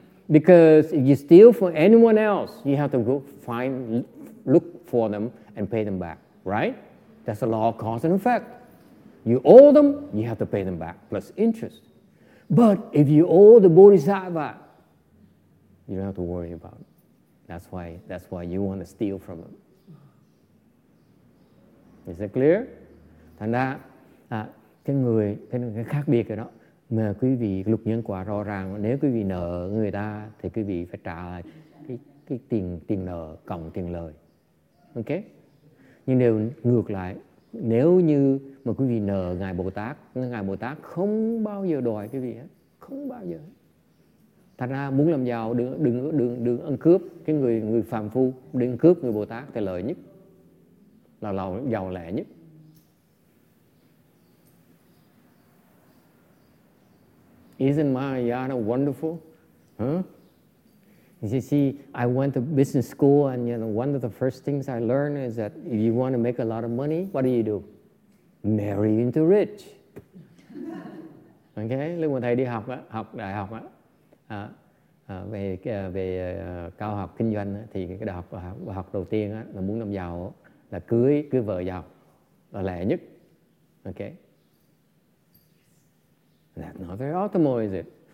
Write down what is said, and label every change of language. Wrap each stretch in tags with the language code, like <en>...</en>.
<en>Because if you steal from anyone else, you have to go find, look for them and pay them back, right? That's the law of cause and effect. You owe them, you have to pay them back, plus interest. But if you owe the Bodhisattva, you don't have to worry about it. That's why you want to steal from them. Is that clear?</en> <vi>Thành ra, cái khác biệt ở đó. Mà quý vị luật nhân quả rõ ràng, nếu quý vị nợ người ta thì quý vị phải trả cái tiền nợ cộng tiền lời. Ok? Nhưng nếu ngược lại, nếu như mà quý vị nợ Ngài Bồ Tát, Ngài Bồ Tát không bao giờ đòi quý vị hết. Không bao giờ. Thật ra muốn làm giàu, đừng ăn cướp cái người phàm phu, đừng cướp người Bồ Tát thì lợi nhất. Là giàu lẹ nhất.</vi> <en>Isn't Mahayana wonderful? Huh? You see, I went to business school and you know, one of the first things I learned is that if you want to make a lot of money, what do? Marry into rich.</en> <vi>Okay? Lúc mà thầy đi học đại học về về cao học kinh doanh thì cái đại học học đầu tiên là muốn làm giàu là cưới cưới vợ giàu là lẽ nhất.</vi> <en>Ok, that's not very optimal, is it?</en>